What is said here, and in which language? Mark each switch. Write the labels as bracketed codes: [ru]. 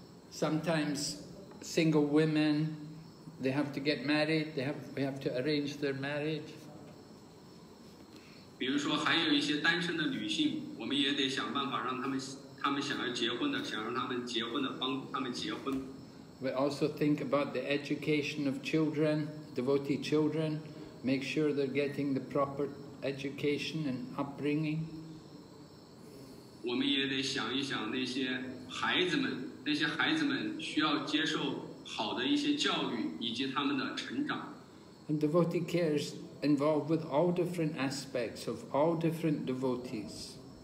[en] Sometimes single women, they have to get married, we have to arrange their marriage. [zh] 比如说还有一些单身的女性，我们也得想办法让他们想要结婚的，想让他们结婚的，帮他们结婚。 [en] We also think about the education of children, devotee children, make sure they're getting the proper education and upbringing. [zh] 我们也得想一想那些孩子们需要接受好的一些教育以及他们的成长。 [en] And devotee care is involved with all different aspects of all different devotees.